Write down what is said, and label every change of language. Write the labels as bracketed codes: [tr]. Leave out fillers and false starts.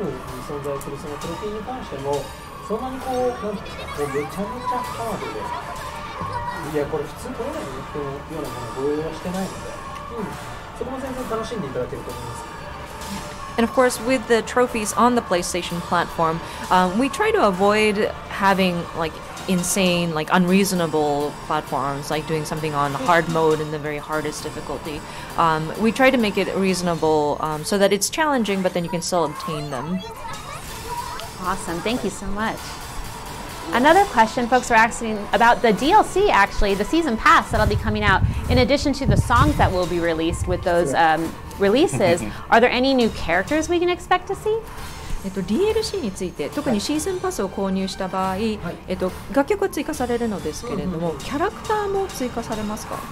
[ja] PlayStation そんなにこう、なんていうか、こうめちゃめちゃハードで、いや、これ普通取れないよっていうようなものをご用意はしてないので、そこも全然楽しんでいただけると思います。 [en] And of course, with the trophies on the PlayStation platform, we try to avoid having like insane, like unreasonable platforms, like doing something on hard mode in the very hardest difficulty. We try to make it reasonable so that it's challenging, but then you can still obtain them. Awesome, thank you so much. Another question folks are asking about the DLC, actually, the season pass that'll be coming out. In addition to the songs that will be released with those releases, are there any new characters we can expect to see? [ja] DLC について、特にシーズンパスを購入した場合、楽曲は追加されるのですけれども、キャラクターも追加されますか？